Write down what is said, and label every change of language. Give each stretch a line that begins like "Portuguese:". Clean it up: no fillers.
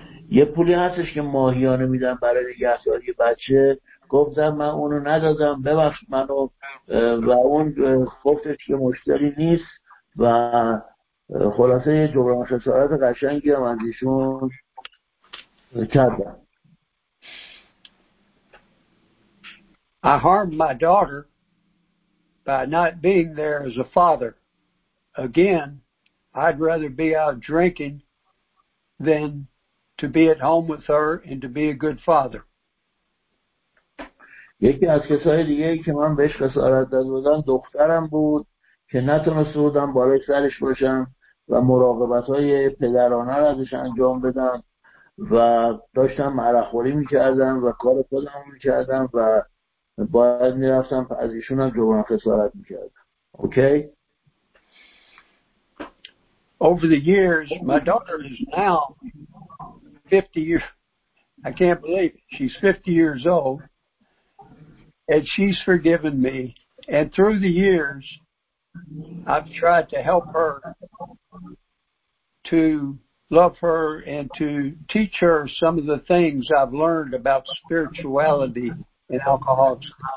Persian: یه پولی هستش که ماهیانه میدم برای نگهداری بچه، گفتم من اونو ندادم، ببخش منو و اون گفتش که مشتری نیست و خلاصه یه جبران خسارت قشنگی هم از ایشون کردم.
English: I harmed my daughter by not being there as a father. Again, I'd rather be out drinking than to be at home with her and to be a good father.
Persian: یکی از کسای دیگه که من بهش خسارت داده بودم دخترم بود که نتونسته بودم بالای سرش باشم و مراقبت‌های پدرانه را ازش انجام بدم و داشتم مرخوری می‌کردم و کار خودم می‌کردم و باید میرفتم از ایشون هم جبران خسارت میکردم.
English: Okay? Over the years, my daughter is now 50 years, I can't believe it, she's 50 years old, and she's forgiven me, and through the years, I've tried to help her to love her and to teach her some of the things I've learned about spirituality and alcoholics.